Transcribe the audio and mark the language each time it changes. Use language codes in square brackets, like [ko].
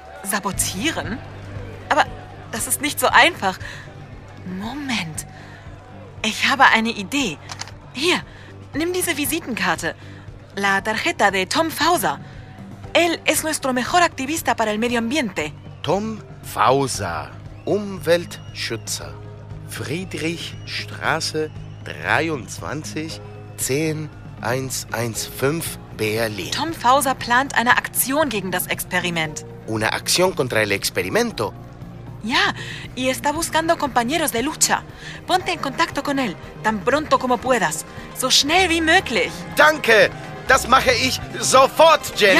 [de] Sabotieren? Aber das ist nicht so einfach. Moment. Ich habe eine Idee. Hier, nimm diese Visitenkarte. [es] La tarjeta de Tom Fauser. Él es nuestro mejor activista para el medio ambiente. [de] Tom Fauser, Umweltschützer. Friedrichstraße 23 10115 Berlin. Tom Fauser plant eine Aktion gegen das Experiment. [es] Una acción contra el experimento. Ja, y está buscando compañeros de lucha. Ponte en contacto con él, tan pronto como puedas. [de] So schnell wie möglich. Danke, das mache ich sofort, Jenny.